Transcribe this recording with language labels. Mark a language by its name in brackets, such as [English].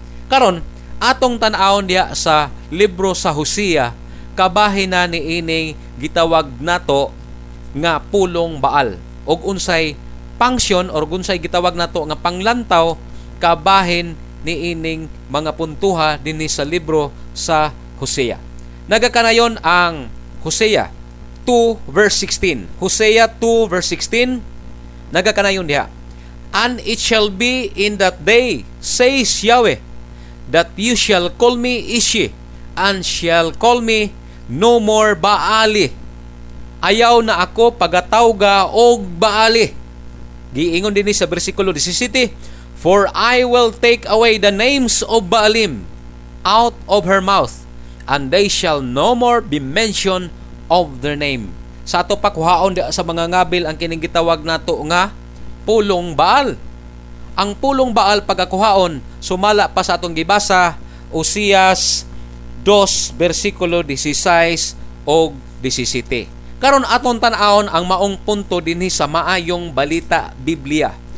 [Cebuano] Karon atong tanaon diya sa libro sa Hosea kabahin na ni ining gitawag nato nga pulong Baal og unsay pangsyon or unsay gitawag nato nga panglantaw kabahin ni ining mga puntuha din sa libro sa Hosea. Nagakanayon ang Hosea 2 verse 16. Hosea 2 verse 16, nagakanayon diha. [English] And it shall be in that day, says Yahweh, that you shall call me Ishi, and shall call me no more Baali. [Cebuano] Ayaw na ako pagatawga og Baali. Giingon din sa versikulo 17, [English] for I will take away the names of Baalim out of her mouth, and they shall no more be mentioned of their name. [Cebuano] Sa ato pakuhaon di sa mga ngabil ang kining gitawag nato nga pulong Baal. Ang pulong Baal pagakuhaon sumala pa sa atong gibasa Hosea 2 bersikulo 16 og 17. Karon aton tan-aon ang maong punto dinhi sa maayong balita Biblia.